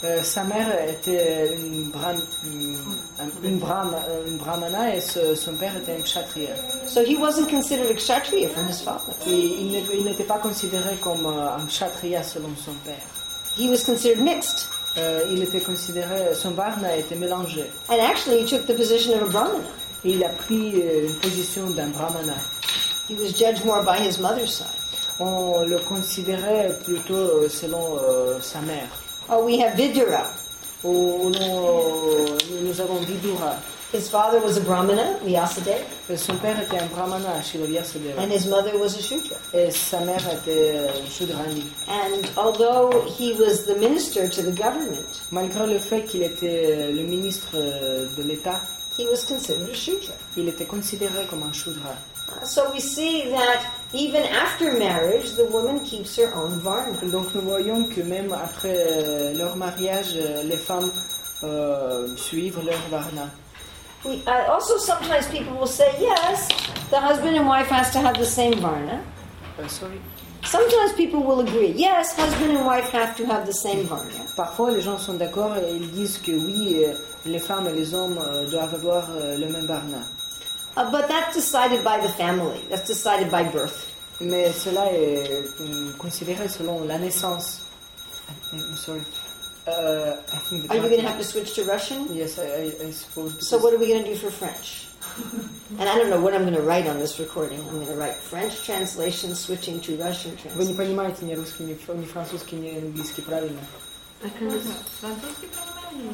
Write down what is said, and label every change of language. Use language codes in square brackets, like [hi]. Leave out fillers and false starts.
[fr] Sa mère était une Brahmana et son père était un Kshatriya. [en] So he wasn't considered a Kshatriya from his father. [fr] Il n'était pas considéré comme un Kshatriya selon son père. [en] He was considered mixed. [fr] Il était considéré, son varna était mélangé. [en] And actually, he took the position of a brahmana. [fr] Il a pris une position d'un brahmana. [en] He was judged more by his mother's side. [fr] On le considérait plutôt selon sa mère. [en] Oh, we have Vidura. [fr] Nous avons Vidura. [en] His father was a brahmana, Vyasadeva. [fr] Son père était un brahmana, Shiva Vyasadeva. [en] And his mother was a shudra. [fr] Et sa mère était shudrani. [en] And although he was the minister to the government, [fr] malgré le fait qu'il était le ministre de l'État, [en] he was considered a shudra. [fr] Il était considéré comme un shudra. [en] So we see that even after marriage, the woman keeps her own varna. [fr] Donc nous voyons que même après leur mariage, les femmes suivent leur varna. [en] Also, sometimes people will say, yes, the husband and wife has to have the same varna. Sometimes people will agree, yes, husband and wife have to have the same varna. [fr] Parfois, les gens sont d'accord et ils disent que oui, les femmes et les hommes doivent avoir le même varna. [en] But that's decided by the family. That's decided by birth. [fr] Mais cela est considéré selon la naissance. [en] Are you going to have to switch to Russian? Yes, I suppose. So what are we going to do for French? And I don't know what I'm going to write on this recording. I'm going to write French translation switching to Russian translation. [ru] Вы не понимаете ни русский, ни французский, ни английский, правильно? Так французский правильно,